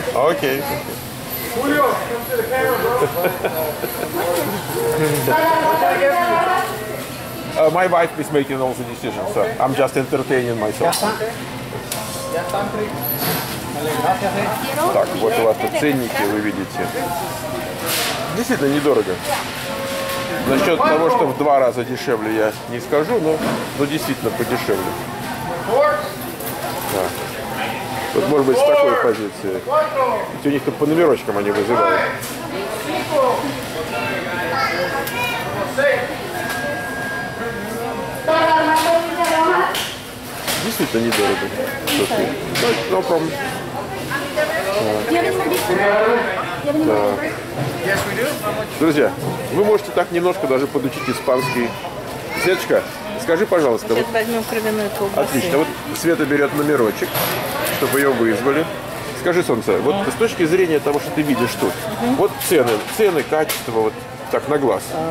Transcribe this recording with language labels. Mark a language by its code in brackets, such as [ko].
[en] Okay. Okay. Julio, come to the camera, bro. My wife is making all the decisions, so I'm just entertaining myself. [ru] Так, вот у вас тут ценники, вы видите. Действительно недорого. Насчет того, что в два раза дешевле, я не скажу, но действительно подешевле. Так. Вот может быть с такой позиции. Ведь у них тут по номерочкам они вызывают. Действительно недорого. [en] No problem. [ru] Да. [en] Yes, we do. [ru] Друзья, вы можете так немножко даже подучить испанский. Светочка, скажи, пожалуйста. Сейчас вот... возьмем кровяную колбасу. Отлично. Вот Света берет номерочек, чтобы ее вызвали. Скажи, солнце, вот с точки зрения того, что ты видишь тут, вот цены, качество, вот так на глаз.